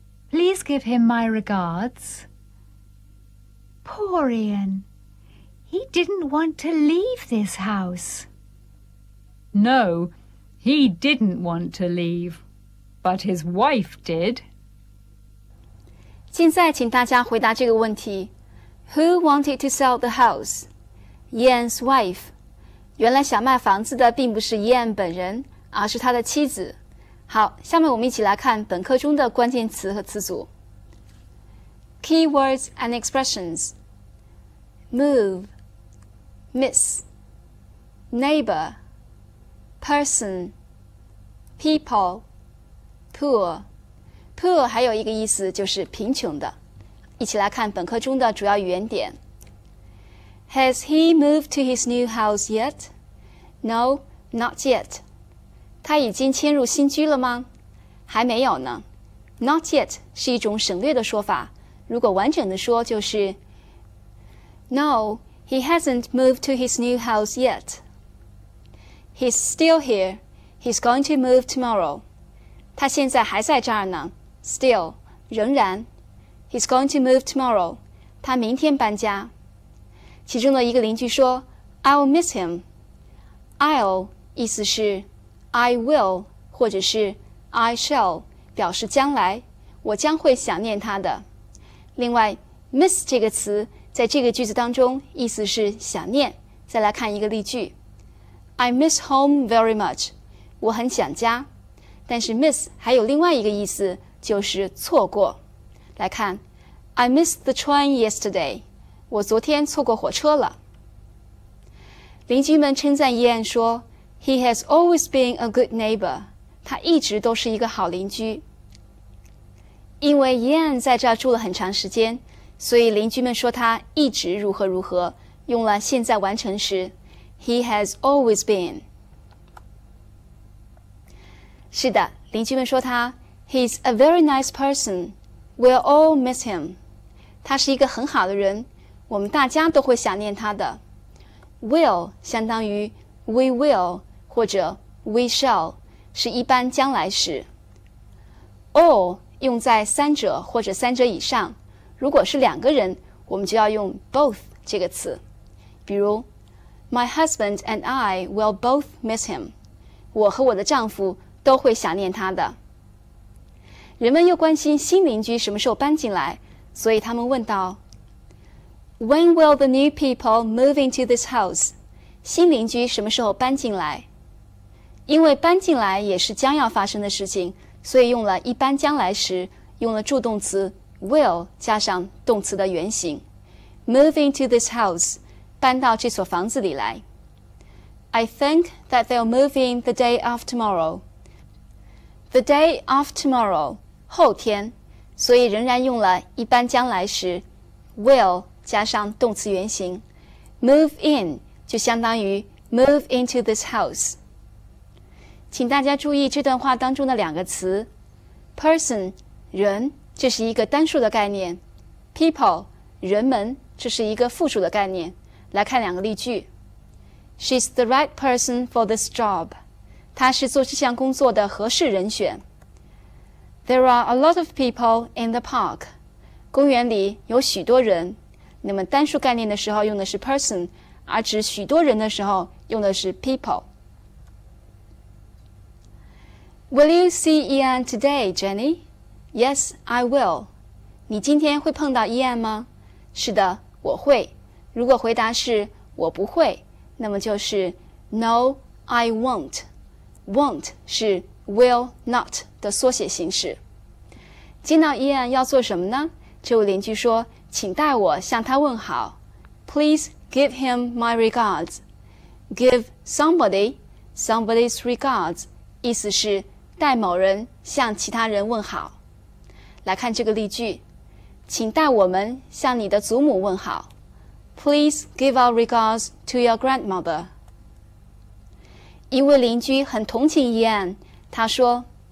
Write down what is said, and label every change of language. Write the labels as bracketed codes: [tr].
[en] Please give him my regards. Poor Ian. He didn't want to leave this house. No, he didn't want to leave. But his wife did. [zh] 现在请大家回答这个问题。 [en] Who wanted to sell the house? Ian's wife. [zh] 原来想卖房子的并不是 Ian 本人，而是他的妻子。好，下面我们一起来看本课中的关键词和词组。 [en] Keywords and expressions. Move, miss, neighbor, person, people, poor. [zh] Poor 还有一个意思就是贫穷的。一起来看本课中的主要语言点。 [en] Has he moved to his new house yet? No, not yet. [zh] 他已经迁入新居了吗？还没有呢。 Not yet 是一种省略的说法，如果完整的说就是 [en] No, he hasn't moved to his new house yet. He's still here. He's going to move tomorrow. [zh] 他现在还在这儿呢。Still, 仍然。 [en] He's going to move tomorrow. [zh] 他明天搬家。其中的一个邻居说 [en] I'll miss him. [zh] I'll 意思是I will, 或者是 I shall, 表示将来，我将会想念他的。另外 miss 这个词在这个句子当中意思是想念。再来看一个例句。 [en] I miss home very much, [zh] 我很想家。但是 miss 还有另外一个意思就是错过。来看 [en] I missed the train yesterday, [zh] 我昨天错过火车了。邻居们称赞伊恩说 [en] He has always been a good neighbor. [zh] 他一直都是一个好邻居。因为 Ian 在这儿住了很长时间，所以邻居们说他一直如何如何，用了现在完成时 [en] He has always been. [zh] 是的，邻居们说他 [en] He's a very nice person. We'll all miss him. [zh] 他是一个很好的人，我们大家都会想念他的。 [en] Will [zh] 相当于 [en] We will. [zh] 或者 [en] we shall [zh] 是一般将来时。 all 用在三者或者三者以上，如果是两个人，我们就要用 both 这个词。比如 [en] My husband and I will both miss him. [zh] 我和我的丈夫都会想念他的。人们又关心新邻居什么时候搬进来，所以他们问道 [en] When will the new people move into this house? [zh] 新邻居什么时候搬进来？因为搬进来也是将要发生的事情，所以用了一般将来时，用了助动词 will 加上动词的原形。 [en] Move into this house, [zh] 搬到这所房子里来。 [en] I think that they'll move in the day of tomorrow. The day of tomorrow, [zh] 后天，所以仍然用了一般将来时 will 加上动词原形。 [en] Move in [zh] 就相当于 [en] move into this house. [zh] 请大家注意这段话当中的两个词 person 人，这是一个单数的概念， people 人们这是一个复数的概念。来看两个例句。 [en] She's the right person for this job. [zh] 她是做这项工作的合适人选。 [en] There are a lot of people in the park. [zh] 公园里有许多人。那么单数概念的时候用的是 person, 而指许多人的时候用的是 people。 [en] Will you see Ian today, Jenny? Yes, I will. [zh] 你今天会碰到 Ian 吗？是的，我会。如果回答是我不会，那么就是 [en] No, I won't. [zh] Won't 是 [en] will not [zh] 的缩写形式。见到 Ian 要做什么呢？这位邻居说，请代我向他问好。 [en] Please give him my regards. Give somebody somebody's regards. [zh] 意思是代某人向其他人问好。来看这个例句，请代我们向你的祖母问好。 [en] Please give our regards to your grandmother. [zh] 一位邻居很同情 Ian, 他说